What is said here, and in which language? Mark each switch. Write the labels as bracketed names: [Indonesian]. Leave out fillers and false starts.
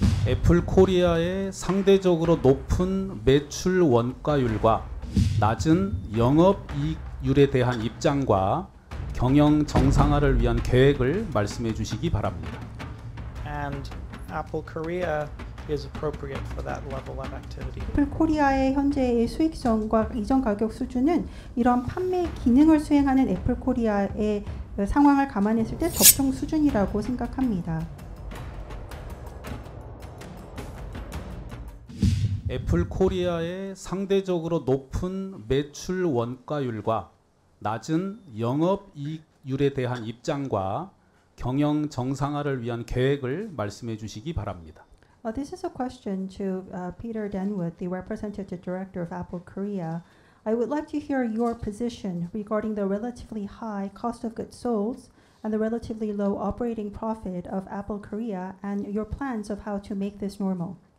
[Korean] 애플 코리아의 상대적으로 높은 매출 원가율과 낮은 영업이익률에 대한 입장과 경영 정상화를 위한 계획을 말씀해 주시기 바랍니다. [English] And Apple Korea is appropriate for that level of activity. [Korean] 애플 코리아의 현재의 수익성과 이전 가격 수준은 이런 판매 기능을 수행하는 애플 코리아의 상황을 감안했을 때 적정 수준이라고 생각합니다. 애플 코리아의 상대적으로 높은 매출 원가율과 낮은 영업이익률에 대한 입장과 경영 정상화를 위한 계획을 말씀해 주시기 바랍니다. [English] This is a question to Peter Denwood, the representative director of Apple Korea. I would like to hear your position regarding the relatively high cost of goods sold and the relatively low operating profit of Apple Korea and your plans of how to make this normal.